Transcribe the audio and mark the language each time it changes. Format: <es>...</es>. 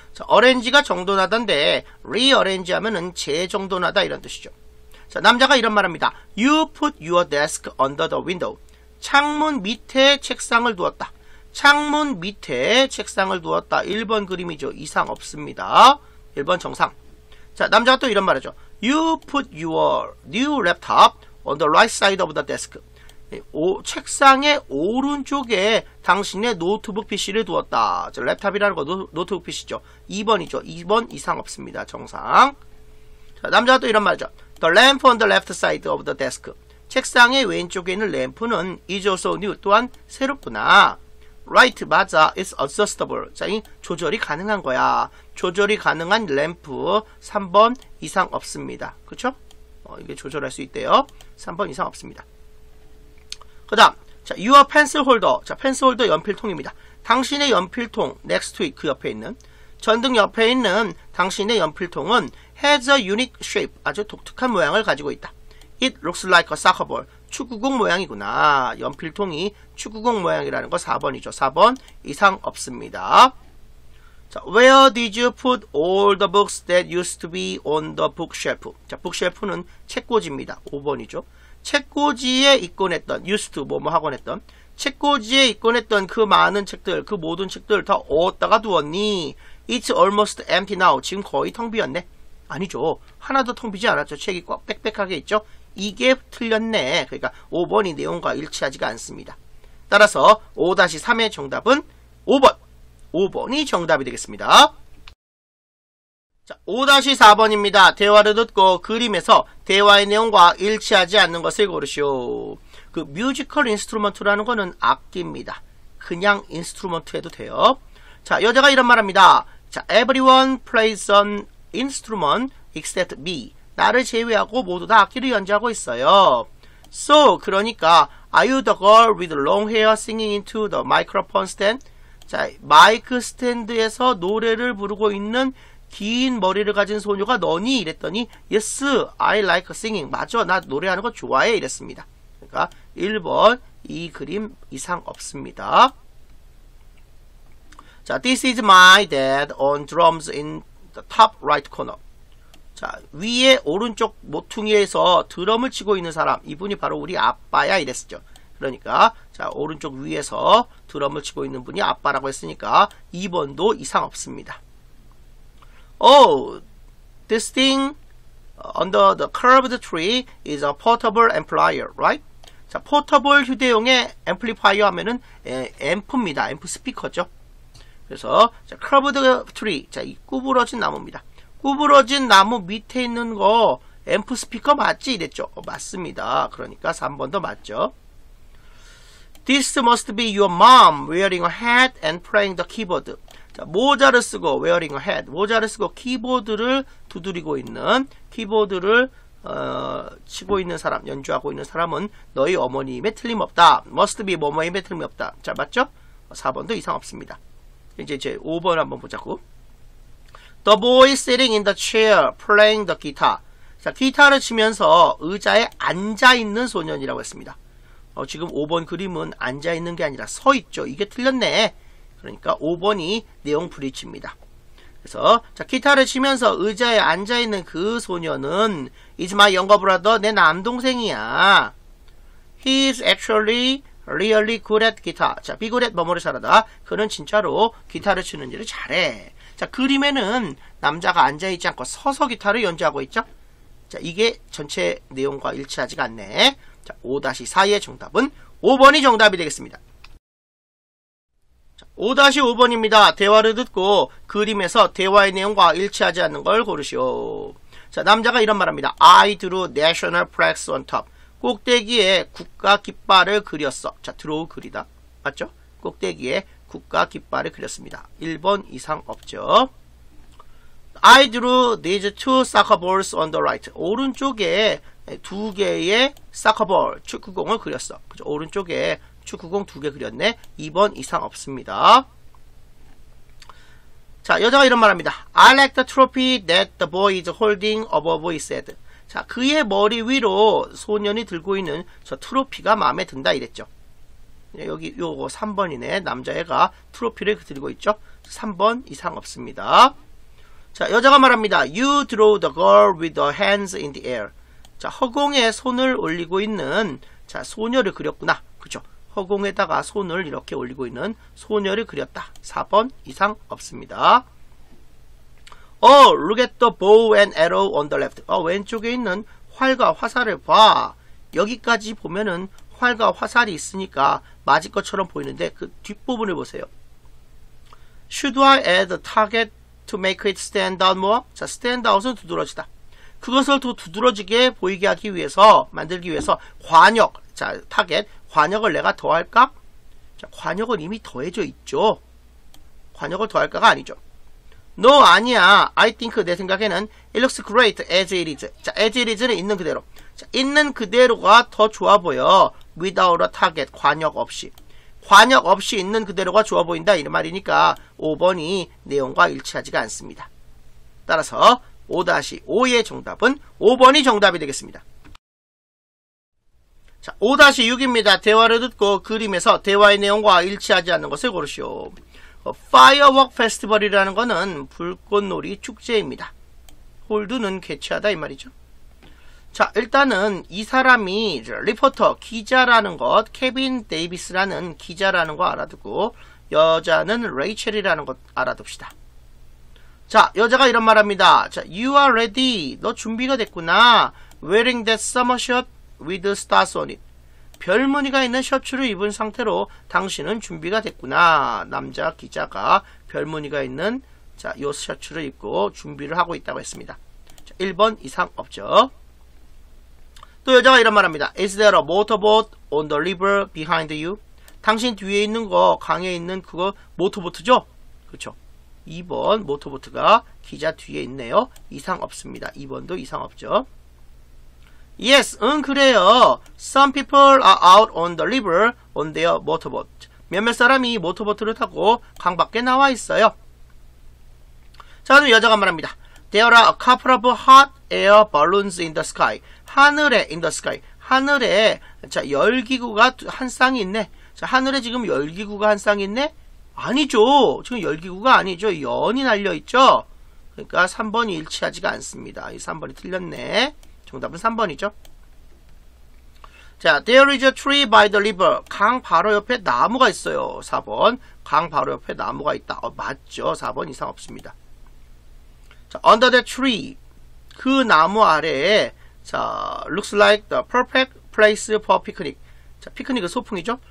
<ko>자, 어렌지가 정돈하던데 리어렌지 하면은 재정돈하다 이런 뜻이죠. 자, 남자가 이런 말합니다.</ko> <en>You put your desk under the window.</en> <ko>창문 밑에 책상을 두었다. 창문 밑에 책상을 두었다. 1번 그림이죠. 이상 없습니다. 1번 정상. 자, 남자가 또 이런 말하죠.</ko> <en>You put your new laptop on the right side of the desk.</en> <ko>책상의 오른쪽에 당신의 노트북 PC를 두었다. 저 랩탑이라는 거 노트북 PC죠. 2번이죠. 2번 이상 없습니다. 정상. 자, 남자가 또 이런 말이죠.</ko> <en>The lamp on the left side of the desk.</en> <ko>책상의 왼쪽에 있는 램프는</ko> <en>is also new.</en> <ko>또한 새롭구나. Right, 맞아.</ko> <en>It's adjustable.</en> <ko>자, 이 조절이 가능한 거야. 조절이 가능한 램프. 3번 이상 없습니다. 그렇죠? 이게 조절할 수 있대요. 3번 이상 없습니다. 그 다음, 자,</ko> <en>your pencil holder.</en> <ko>자, 펜슬 홀더 연필통입니다. 당신의 연필통,</ko> <en>next to it,</en> <ko>그 옆에 있는. 전등 옆에 있는 당신의 연필통은</ko> <en>has a unique shape.</en> <ko>아주 독특한 모양을 가지고 있다.</ko> <en>It looks like a soccer ball.</en> <ko>축구공 모양이구나. 연필통이 축구공 모양이라는 거 4번이죠. 4번 이상 없습니다.</ko> <en>자, where did you put all the books that used to be on the bookshelf?</en> <ko>자, bookshelf는 책꽂이입니다. 5번이죠. 책꽂이에 있곤 했던 used to 뭐뭐 하곤 했던 책꽂이에 있곤 했던 그 많은 책들 그 모든 책들 다 어디다가 두었니?</ko> <en>It's almost empty now.</en> <ko>지금 거의 텅 비었네. 아니죠. 하나도 텅 비지 않았죠. 책이 꽉 빽빽하게 있죠. 이게 틀렸네. 그러니까 5번이 내용과 일치하지가 않습니다. 따라서 5-3의 정답은 5번. 5번이 정답이 되겠습니다. 자, 5-4번입니다. 대화를 듣고 그림에서 대화의 내용과 일치하지 않는 것을 고르시오. 그 뮤지컬 인스트루먼트라는 거는 악기입니다. 그냥 인스트루먼트 해도 돼요. 자, 여자가 이런 말합니다.</ko> <en>자, everyone plays an instrument except me.</en> <ko>나를 제외하고 모두 다 악기를 연주하고 있어요.</ko> <en>So,</en> <ko>그러니까</ko> <en>are you the girl with long hair singing into the microphone stand?</en> <ko>자, 마이크 스탠드에서 노래를 부르고 있는 긴 머리를 가진 소녀가 너니? 이랬더니</ko> <en>Yes, I like singing.</en> <ko>맞아, 나 노래하는 거 좋아해. 이랬습니다. 그러니까 1번 이 그림 이상 없습니다.</ko> <en>자, This is my dad on drums in the top right corner.</en> <ko>자, 위에 오른쪽 모퉁이에서 드럼을 치고 있는 사람 이분이 바로 우리 아빠야. 이랬죠. 그러니까 자, 오른쪽 위에서 드럼을 치고 있는 분이 아빠라고 했으니까 2번도 이상 없습니다.</ko> <en>Oh, this thing under the curved tree is a portable amplifier, right?</en> <ko>자, portable 휴대용의 amplifier 하면은 앰프입니다. 앰프 스피커죠. 그래서 자, curved tree, 자, 이 구부러진 나무입니다. 구부러진 나무 밑에 있는 거 앰프 스피커 맞지? 이랬죠. 맞습니다. 그러니까 3번도 맞죠.</ko> <en>This must be your mom wearing a hat and playing the keyboard.</en> <ko>자, 모자를 쓰고</ko> <en>wearing a hat,</en> <ko>모자를 쓰고 키보드를 두드리고 있는 키보드를 치고 있는 사람, 연주하고 있는 사람은 너희 어머니임에 틀림없다. Must be 뭐뭐임에 틀림없다. 자, 맞죠? 4번도 이상 없습니다. 이제 5번 한번 보자고.</ko> <en>The boy sitting in the chair playing the guitar.</en> <ko>자, 기타를 치면서 의자에 앉아 있는 소년이라고 했습니다. 지금 5번 그림은 앉아 있는 게 아니라 서 있죠. 이게 틀렸네. 그러니까 5번이 내용 브릿지입니다. 그래서 자, 기타를 치면서 의자에 앉아있는 그 소녀는</ko> <en>is my younger brother,</en> <ko>내 남동생이야.</ko> <en>He is actually really good at guitar. 자, be good at</en> <ko>뭐뭐를 잘하다. 그는 진짜로 기타를 치는 일을 잘해. 자, 그림에는 남자가 앉아있지 않고 서서 기타를 연주하고 있죠. 자, 이게 전체 내용과 일치하지가 않네. 자, 5-4의 정답은 5번이 정답이 되겠습니다. 5-5번입니다. 대화를 듣고 그림에서 대화의 내용과 일치하지 않는 걸 고르시오. 자, 남자가 이런 말합니다.</ko> <en>I drew national flags on top.</en> <ko>꼭대기에 국가 깃발을 그렸어. 자, draw 그리다. 맞죠? 꼭대기에 국가 깃발을 그렸습니다. 1번 이상 없죠.</ko> <en>I drew these two soccer balls on the right.</en> <ko>오른쪽에 두 개의 soccer ball, 축구공을 그렸어. 그죠? 오른쪽에 축구공 두 개 그렸네. 2번 이상 없습니다. 자, 여자가 이런 말 합니다.</ko> <en>I like the trophy that the boy is holding above his head.</en> <ko>자, 그의 머리 위로 소년이 들고 있는 저 트로피가 마음에 든다 이랬죠. 여기 요거 3번이네. 남자애가 트로피를 들고 있죠. 3번 이상 없습니다. 자, 여자가 말합니다.</ko> <en>You draw the girl with the hands in the air.</en> <ko>자, 허공에 손을 올리고 있는 자, 소녀를 그렸구나. 그쵸? 허공에다가 손을 이렇게 올리고 있는 소녀를 그렸다. 4번 이상 없습니다.</ko> <en>Oh, look at the bow and arrow on the left.</en> <ko>왼쪽에 있는 활과 화살을 봐. 여기까지 보면은 활과 화살이 있으니까 맞을 것처럼 보이는데 그 뒷부분을 보세요.</ko> <en>Should I add a target to make it stand out more?</en> <ko>자, stand out은 두드러지다. 그것을 더 두드러지게 보이게 하기 위해서, 만들기 위해서 관역, 자, 타겟, 관역을 내가 더할까? 자, 관역은 이미 더해져 있죠. 관역을 더할까가 아니죠. No, 아니야.</ko> <en>I think,</en> <ko>내 생각에는</ko> <en>it looks great as it is.</en> <ko>자, as it is는 있는 그대로. 자, 있는 그대로가 더 좋아 보여.</ko> <en>Without a target,</en> <ko>관역 없이. 관역 없이 있는 그대로가 좋아 보인다 이 말이니까 5번이 내용과 일치하지가 않습니다. 따라서 5-5의 정답은 5번이 정답이 되겠습니다. 자, 5-6입니다. 대화를 듣고 그림에서 대화의 내용과 일치하지 않는 것을 고르시오. Firework Festival이라는 것은 불꽃놀이 축제입니다. 홀드는 개최하다 이 말이죠. 자, 일단은 이 사람이 리포터, 기자라는 것, 케빈 데이비스라는 기자라는 거 알아두고 여자는 레이첼이라는 것 알아둡시다. 자, 여자가 이런 말 합니다. 자,</ko> <en>You are ready.</en> <ko>너 준비가 됐구나.</ko> <en>Wearing that summer shirt with stars on it.</en> <ko>별무늬가 있는 셔츠를 입은 상태로 당신은 준비가 됐구나. 남자 기자가 별무늬가 있는 자, 요 셔츠를 입고 준비를 하고 있다고 했습니다. 자, 1번 이상 없죠. 또 여자가 이런 말 합니다.</ko> <en>Is there a motorboat on the river behind you?</en> <ko>당신 뒤에 있는 거, 강에 있는 그거 모터보트죠? 그렇죠. 2번 모터보트가 기자 뒤에 있네요. 이상 없습니다. 2번도 이상 없죠. Yes, 응 그래요.</ko> <en>Some people are out on the river on their motorboat.</en> <ko>몇몇 사람이 모터보트를 타고 강 밖에 나와 있어요. 자, 그럼 여자가 말합니다.</ko> <en>There are a couple of hot air balloons in the sky.</en> <ko>하늘에, in the sky. 하늘에, 자, 열기구가 한 쌍이 있네. 자, 하늘에 지금 열기구가 한 쌍이 있네? 아니죠. 지금 열기구가 아니죠. 연이 날려있죠. 그러니까 3번이 일치하지가 않습니다. 이 3번이 틀렸네. 정답은 3번이죠.</ko> <en>자, there is a tree by the river.</en> <ko>강 바로 옆에 나무가 있어요. 4번. 강 바로 옆에 나무가 있다. 맞죠. 4번 이상 없습니다. 자,</ko> <en>under the tree.</en> <ko>그 나무 아래에 자,</ko> <en>looks like the perfect place for picnic.</en> <ko>자, 피크닉은 소풍이죠?</ko>